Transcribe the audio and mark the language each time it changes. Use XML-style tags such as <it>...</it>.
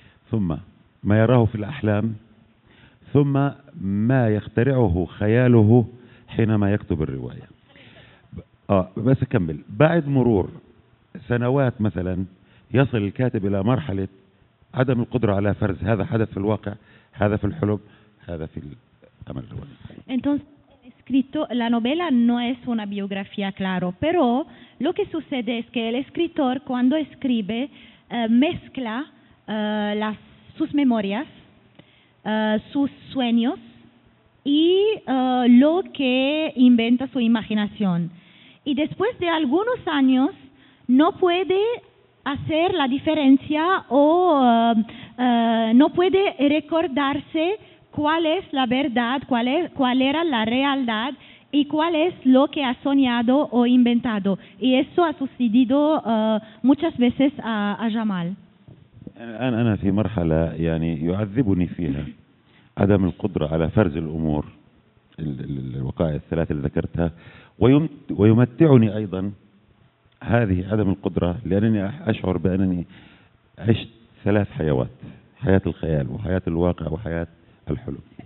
<ar>ثم ما يراه في الأحلام ثم ما يخترعه خياله حينما يكتب الرواية بس أكمل بعد مرور سنوات مثلا يصل الكاتب إلى مرحلة عدم القدرة على فرز هذا حدث في الواقع هذا في الحلم هذا في الأمل الرواية</ar> <es>Entonces, escrito, la novela no es una biografía, claro, pero lo que sucede es que el escritor cuando escribe mezcla las, sus memorias, sus sueños y lo que inventa su imaginación. Y después de algunos años, no puede hacer la diferencia o no puede recordarse cuál es la verdad, cuál era la realidad y cuál es lo que ha soñado o inventado. Y eso ha sucedido muchas veces a Jamal.</es> <ar>أنا في مرحلة يعني يعذبني فيها عدم القدرة على فرز الأمور الوقائع الثلاثة اللي ذكرتها ويمتعني أيضا هذه عدم القدرة لأنني أشعر بأنني عشت ثلاث حيوات حياة الخيال وحياة الواقع وحياة الحلم.</ar>